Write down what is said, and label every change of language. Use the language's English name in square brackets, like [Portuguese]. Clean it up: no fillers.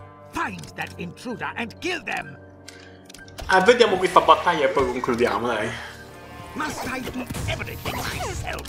[English] Find that intruder and kill them. [Italian] Vediamo qui fa battaglia e poi concludiamo, dai. [English] Must I do everything myself?